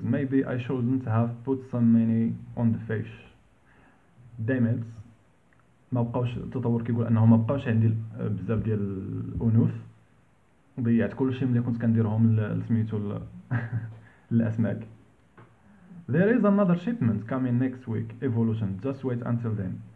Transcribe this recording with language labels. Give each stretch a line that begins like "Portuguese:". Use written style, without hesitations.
English: Maybe I shouldn't have put so many on the fish. Damn it.
Arabic: ما بقاوش التطور كيقول انه ما بقاوش عندي بزاف ديال الانوف، ضيعت كل شيء ملي كنت كنديرهم لسميتو الاسماك.
English: There is another shipment coming next week. Evolution, just wait until then.